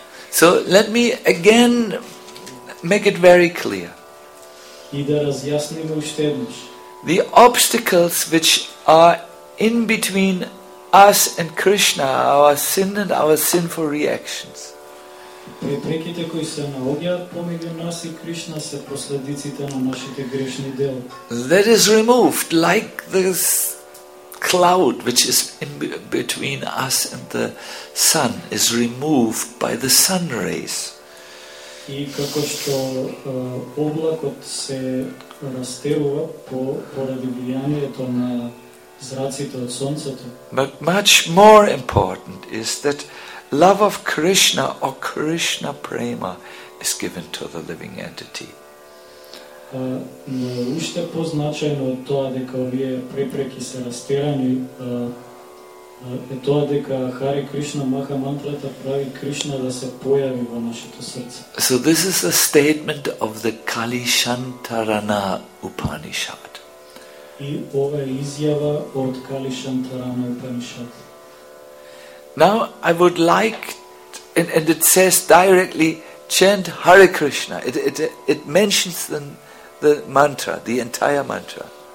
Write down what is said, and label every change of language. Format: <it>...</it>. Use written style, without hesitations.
<en>So let me again make it very clear. The obstacles which are in between us and Krishna, our sin and our sinful reactions.</en> <mk>Препреките кои се наоѓаат помеѓу нас и Кришна се последиците на нашите грешни дела.</mk> <en>That is removed like this cloud which is in between us and the sun is removed by the sun rays.</en> <mk>И како што облакот се растерува поради влијанието на зраците од сонцето.</mk> <en>But much more important is that love of Krishna or Krishna prema is given to the living entity.</en> <mk>Но уште позначајно од тоа дека овие препреки се растерани е тоа дека Хари Кришна Маха мантрата прави Кришна да се појави во нашето срце.</mk> <en>So this is a statement of the Kali Shantarana Upanishad.</en> <mk>И ова е изјава од Kali Shantarana Upanishad.</mk> <en>Now I would like, and it says directly, chant Hare Krishna. It mentions the mantra, the entire mantra.</en>